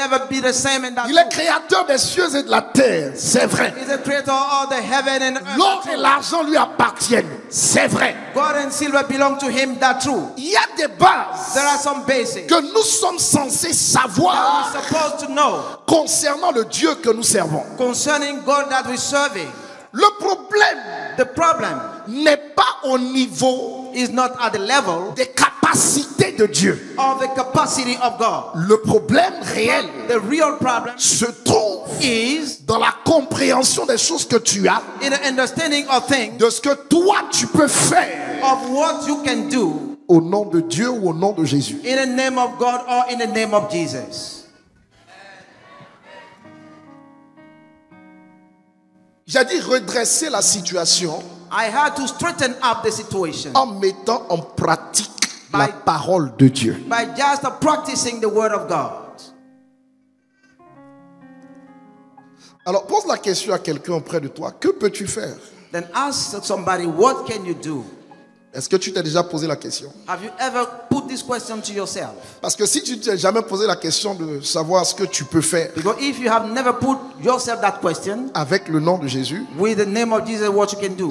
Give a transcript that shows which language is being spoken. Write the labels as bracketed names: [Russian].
[French] Il est créateur des cieux et de la terre, c'est vrai. [English] He's the creator of the heaven and earth. [French] L'or et l'argent lui appartiennent, c'est vrai. [English] Gold and silver belong to him, that's true. [French] Il y a des bases, [English] there are some bases, [French] que nous sommes censés savoir [English] that we're supposed to know [French] concernant le Dieu que nous servons. [English] Concerning God that we're serving. [French] Le problème, [English] the problem, [French] n'est pas au niveau, [English] is not at the level, [French] des capacités de Dieu. [English] Of the capacity of God. [French] Le problème réel, [English] the real problem, [French] se trouve, [English] is [French] dans la compréhension des choses que tu as, [English] in the understanding of things, [French] de ce que toi tu peux faire, [English] of what you can do, [French] au nom de Dieu ou au nom de Jésus. [English] In the name of God or in the name of Jesus. [French] J'ai dit redresser la situation. [English] I had to straighten up the situation. [French] En mettant en pratique la parole de Dieu. [English] By just practicing the word of God. [French] Alors pose la question à quelqu'un près de toi. Que peux-tu faire? [English] Then ask somebody, what can you do? [French] Est-ce que tu t'es déjà posé la question? [English] Have you ever put this question to yourself? [French] Parce que si tu t'es jamais posé la question de savoir ce que tu peux faire, [English] because if you have never put yourself that question, [French] avec le nom de Jésus, [English] with the name of Jesus, what you can do,